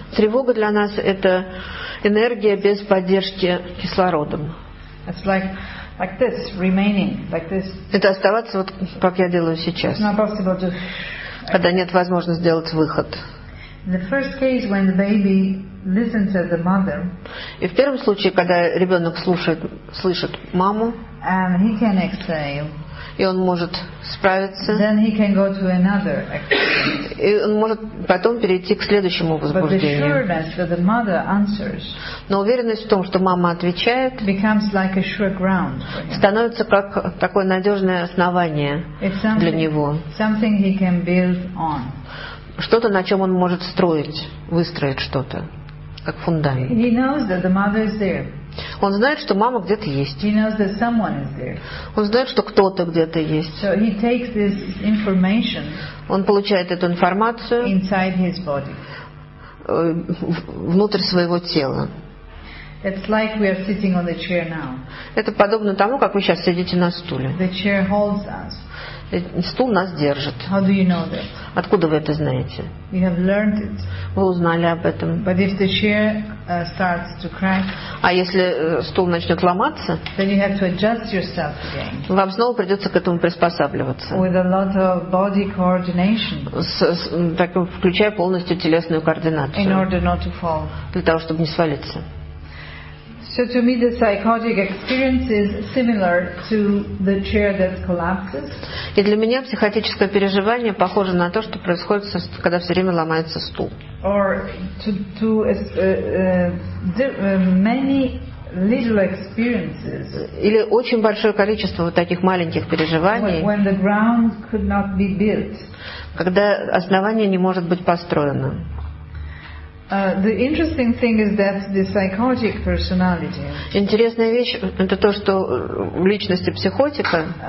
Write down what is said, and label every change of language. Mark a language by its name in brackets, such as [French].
[Russian] Тревога для нас это энергия без поддержки кислородом. [English] It's like this, remaining like this. [Russian] Это оставаться вот как я делаю сейчас. [English] It's not possible to. [Russian] Когда нет возможности сделать выход. [English] In the first case, when the baby listens to the mother. [Russian] И в первом случае, когда ребенок слышит маму. [English] And he can exhale. [Russian] и он может справиться. [English] Then he can go to another. [Russian] И он может потом перейти к следующему возбуждению. [English] But the sureness that the mother answers. [Russian] Но уверенность в том, что мама отвечает, [English] becomes like a sure ground for him. [Russian] Становится как такое надежное основание для него. [English] Something he can build on. [Russian] Что-то, на чем он может строить, выстроить что-то, как фундамент. [English] He knows that the mother is there. [Russian] Он знает, что мама где-то есть. [English] He knows that someone is there. [Russian] Он знает, что кто-то где-то есть. [English] So he takes this information. [Russian] Он получает эту информацию [English] inside his body. [Russian] Внутрь своего тела. [English] It's like we are sitting on the chair now. [Russian] Это подобно тому, как вы сейчас сидите на стуле. [English] The chair holds us. [Russian] Стул нас держит. [English] How do you know that? [Russian] Откуда вы это знаете? [English] You have learned it. [Russian] Вы узнали об этом. [English] But if the chair starts to crack, [Russian] а если стул начнет ломаться, [English] then you have to adjust yourself again. [Russian] Вам снова придется к этому приспосабливаться. [English] With a lot of body coordination. [Russian] Так, включая полностью телесную координацию. [English] In order not to fall. [Russian] Для того, чтобы не свалиться. [English] So to me, the psychotic experience is similar to the chair that collapses. [Russian] И для меня психотическое переживание похоже на то, что происходит, когда все время ломается стул. [English] Or many little experiences. [Russian] Или очень большое количество вот таких маленьких переживаний. [English] When the ground could not be built. [Russian] Когда основание не может быть построено. [English] The interesting thing is that the psychotic personality. [Russian] Интересная вещь это то, что в личности психотика